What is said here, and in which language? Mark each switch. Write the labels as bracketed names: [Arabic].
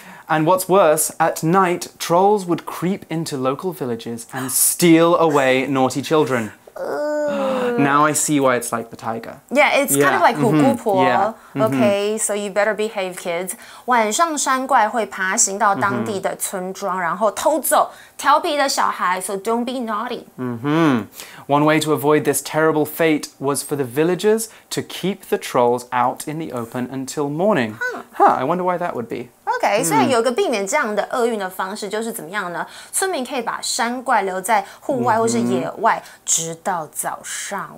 [English] And what's worse, at night, trolls would creep into local villages and steal away naughty children. Now I see why it's like the tiger. Yeah, it's kind of like 虎姑婆. Yeah. Okay, so you better behave, kids. [Chinese] 晚上山怪会爬行到当地的村庄，然后偷走调皮的小孩。 [English] So don't be naughty. One way to avoid this terrible fate was for the villagers to keep the trolls out in the open until morning. Huh, I wonder why that would be. [Chinese] Okay, 所以有个避免这样的厄运的方式就是怎么样呢？村民可以把山怪留在户外或是野外直到早上。